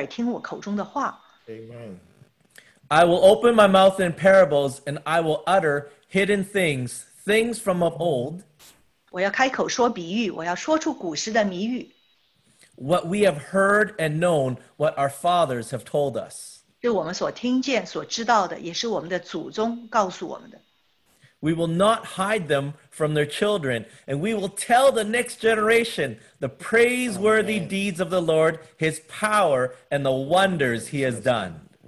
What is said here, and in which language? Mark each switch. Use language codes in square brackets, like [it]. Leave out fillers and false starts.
[zh] 我的民啊，你们要留心听我的训诲，侧耳听我口中的话。Amen. [en] I will open my mouth in parables, and I will utter hidden things, things from of old. [zh] 我要开口说比喻，我要说出古时的谜语。 [en] What we have heard and known, what our fathers have told us. [zh] 是我们所听见、所知道的，也是我们的祖宗告诉我们的。 [en] We will not hide them from their children, and we will tell the next generation the praiseworthy deeds of the Lord, His power, and the wonders He has done.